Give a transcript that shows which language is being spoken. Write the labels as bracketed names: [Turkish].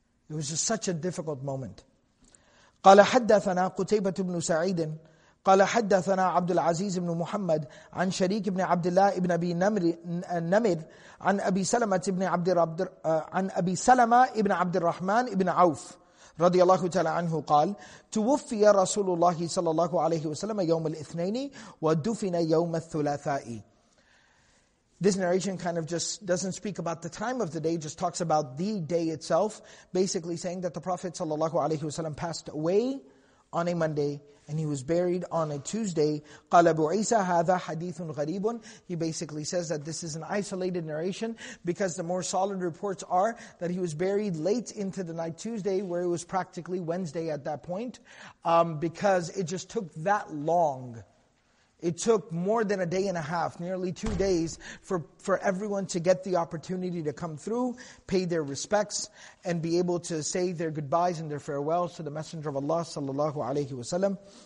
[English] It was just such a difficult moment. [Arabic] قَالَ حَدَّثَنَا قُتَيْبَةُ بْنُ سَعِيدٍ قَالَ حَدَّثَنَا عَبْدُ الْعَزِيزِ بْنُ مُحَمَّدٍ عَنْ شَرِيكِ بْنِ عَبْدِ اللَّهِ بْنِ أَبِي نَمِرٍ عَنْ أَبِي سَلَمَةِ بْنِ عَبْدِ عَنْ أَبِي سَلَمَةِ بْنِ عَبْدِ الرَّحْمَنِ بْنِ عَوْفٍ رضي الله تعالى عنه قال توفي رسول الله صلى الله عليه وسلم يوم الاثنين ودفن يوم الثلاثاء. [English] This narration kind of just doesn't speak about the time of the day, just talks about the day itself, basically saying that the Prophet ﷺ passed away on a Monday and he was buried on a Tuesday. [Arabic] قال أبو عيسى هذا حديث غريب. [English] He basically says that this is an isolated narration because the more solid reports are that he was buried late into the night Tuesday, where it was practically Wednesday at that point, because it just took that long. It took more than a day and a half, nearly 2 days, for everyone to get the opportunity to come through, pay their respects, and be able to say their goodbyes and their farewells to the Messenger of Allah sallallahu alaihi wasallam.